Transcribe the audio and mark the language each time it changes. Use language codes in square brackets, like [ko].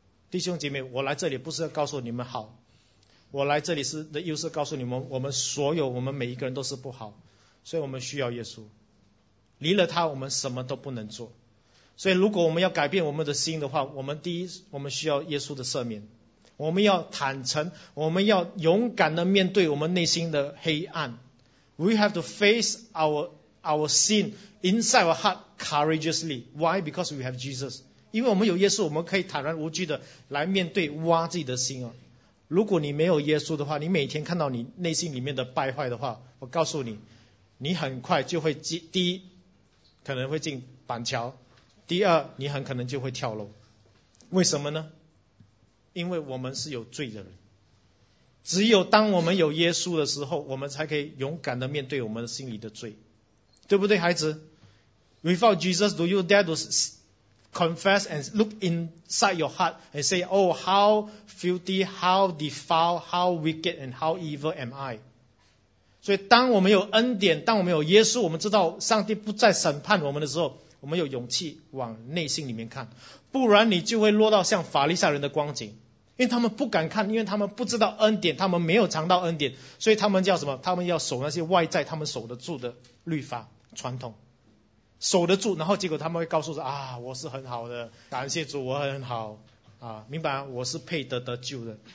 [zh] 弟兄姐妹，我来这里不是要告诉你们好，我来这里是的意思是告诉你们，我们所有我们每一个人都是不好，所以我们需要耶稣，离了他我们什么都不能做。所以如果我们要改变我们的心的话，我们第一我们需要耶稣的赦免，我们要坦诚，我们要勇敢地面对我们内心的黑暗。 [en] We have to face our sin inside our heart courageously. Why? Because we have Jesus. [zh] 因为我们有耶稣，我们可以坦然无惧地来面对挖自己的心啊。如果你没有耶稣的话，你每天看到你内心里面的败坏的话，我告诉你，你很快就会第一可能会进板桥，第二你很可能就会跳楼。为什么呢？因为我们是有罪的人。只有当我们有耶稣的时候，我们才可以勇敢地面对我们心里的罪，对不对孩子？ [en] Without Jesus, do you dare to confess and look inside your heart and say, oh, how filthy, how defiled, how wicked and how evil am I? [zh] 所以当我们有恩典，当我们有耶稣，我们知道上帝不再审判我们的时候，我们有勇气往内心里面看，不然你就会落到像法利赛人的光景，因为他们不敢看，因为他们不知道恩典，他们没有尝到恩典，所以他们叫什么？他们要守那些外在他们守得住的律法传统，守得住，然后结果他们会告诉说，啊，我是很好的，感谢主，我很好啊，明白，我是配得救的。